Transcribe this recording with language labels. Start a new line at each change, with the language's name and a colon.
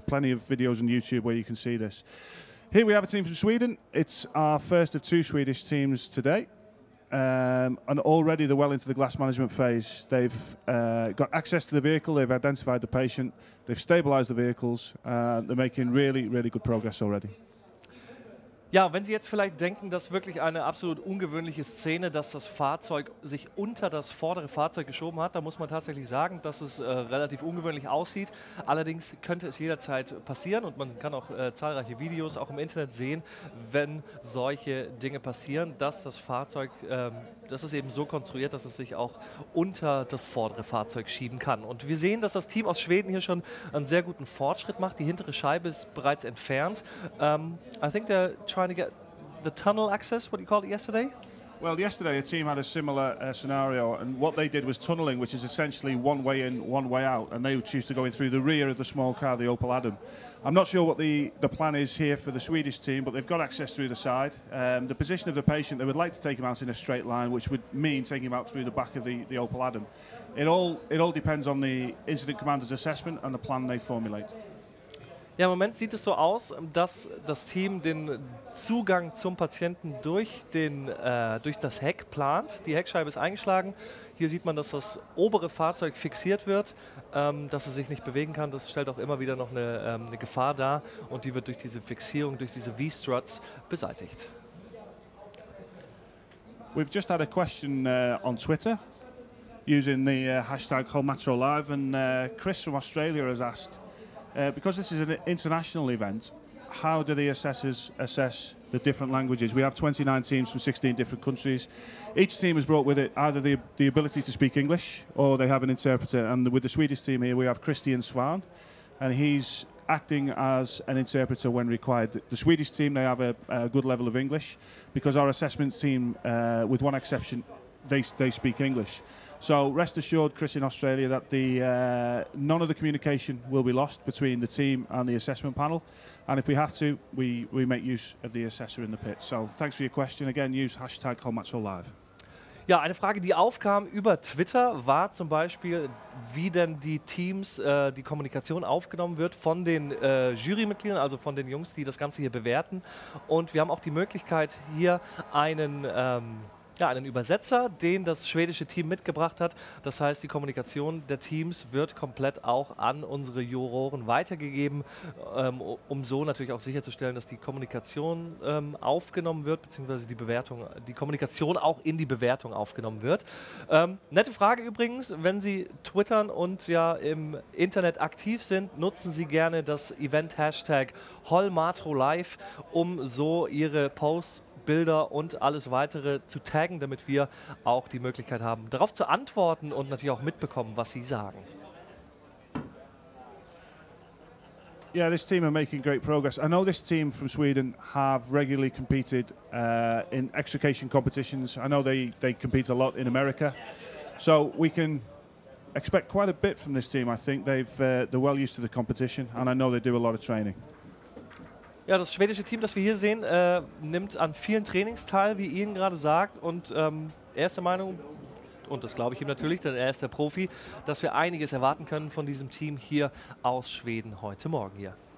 English: There's plenty of videos on YouTube where you can see this. Here we have a team from Sweden. It's our first of two Swedish teams today. And already they're well into the glass management phase. They've got access to the vehicle, they've identified the patient, they've stabilized the vehicles, they're making really, really good progress already.
German: Ja, wenn Sie jetzt vielleicht denken, das ist wirklich eine absolut ungewöhnliche Szene, dass das Fahrzeug sich unter das vordere Fahrzeug geschoben hat, dann muss man tatsächlich sagen, dass es relativ ungewöhnlich aussieht. Allerdings könnte es jederzeit passieren und man kann auch zahlreiche Videos auch im Internet sehen, wenn solche Dinge passieren, dass das Fahrzeug, das ist eben so konstruiert, dass es sich auch unter das vordere Fahrzeug schieben kann. Und wir sehen, dass das Team aus Schweden hier schon einen sehr guten Fortschritt macht. Die hintere Scheibe ist bereits entfernt.
English: I think they're trying to get the tunnel access, what you called it yesterday? Well, yesterday a team had a similar scenario, and what they did was tunneling, which is essentially one way in, one way out, and they would choose to go in through the rear of the small car, the Opel Adam. I'm not sure what the plan is here for the Swedish team, but they've got access through the side. The position of the patient, they would like to take him out in a straight line, which would mean taking him out through the back of the Opel Adam. It all depends on the incident commander's assessment and the plan they formulate.
German: Ja, im Moment sieht es so aus, dass das Team den Zugang zum Patienten durch das Heck plant. Die Heckscheibe ist eingeschlagen. Hier sieht man, dass das obere Fahrzeug fixiert wird, dass es sich nicht bewegen kann. Das stellt auch immer wieder noch eine Gefahr dar und die wird durch diese Fixierung, durch diese V-Struts beseitigt.
English: We've just had a question on Twitter using the hashtag HolmatroLive, and Chris from Australia has asked, because this is an international event, how do the assessors assess the different languages? We have 29 teams from 16 different countries. Each team has brought with it either the ability to speak English or they have an interpreter. And with the Swedish team here, we have Christian Svan, and he's acting as an interpreter when required. The Swedish team, they have a good level of English because our assessment team, with one exception, they speak English. So rest assured, Chris, in Australia, that the none of the communication will be lost between the team and the assessment panel. And if we have to, we make use of the assessor in the pit. So thanks for your question. Again, use hashtag HolmatroLive.
German: Ja, eine Frage, die aufkam über Twitter, war zum Beispiel, wie denn die Teams, die Kommunikation aufgenommen wird von den Jurymitgliedern, also von den Jungs, die das Ganze hier bewerten. Und wir haben auch die Möglichkeit, hier einen Übersetzer, den das schwedische Team mitgebracht hat. Das heißt, die Kommunikation der Teams wird komplett auch an unsere Juroren weitergegeben, um so natürlich auch sicherzustellen, dass die Kommunikation aufgenommen wird, beziehungsweise die Kommunikation auch in die Bewertung aufgenommen wird. Nette Frage übrigens, wenn Sie twittern und ja im Internet aktiv sind, nutzen Sie gerne das Event-Hashtag HolmatroLive, um so Ihre Posts, Bilder und alles Weitere zu taggen, damit wir auch die Möglichkeit haben, darauf zu antworten und natürlich auch mitbekommen, was Sie sagen.
English: Yeah, this team are making great progress. I know this team from Sweden have regularly competed in extrication competitions. I know they compete a lot in America. So we can expect quite a bit from this team. I think they're well used to the competition and I know they do a lot of training.
German: Ja, das schwedische Team, das wir hier sehen, nimmt an vielen Trainings teil, wie Ian gerade sagt. Und er ist der Meinung, und das glaube ich ihm natürlich, denn er ist der Profi, dass wir einiges erwarten können von diesem Team hier aus Schweden heute Morgen hier.